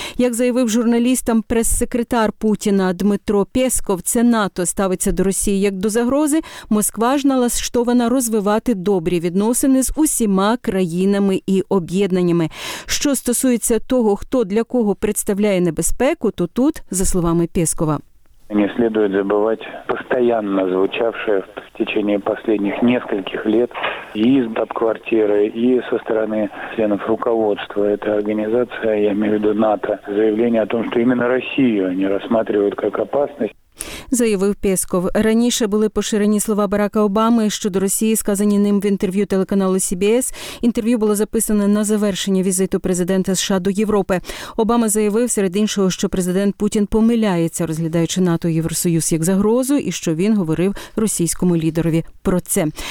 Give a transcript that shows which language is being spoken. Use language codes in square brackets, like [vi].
[uk] Як заявив журналістам прес-секретар Путіна Дмитро Пєсков, це НАТО ставиться до Росії як до загрози. Москва ж налаштована розвивати добрі відносини з усіма країнами і об'єднаннями. Що стосується того, хто для кого представляє небезпеку, то тут, за словами Пєскова, [ru] не следует забывать постоянно звучавшее в течение последних нескольких лет и из штаб-квартиры, и со стороны членов руководства этой организации, я имею в виду НАТО, заявление о том, что именно Россию они рассматривают как опасность. [uk] Заявив Пєсков. Раніше були поширені слова Барака Обами щодо Росії, сказані ним в інтерв'ю телеканалу CBS. Інтерв'ю було записане на завершення візиту президента США до Європи. Обама заявив, серед іншого, що президент Путін помиляється, розглядаючи НАТО і Євросоюз як загрозу, і що він говорив російському лідерові про це.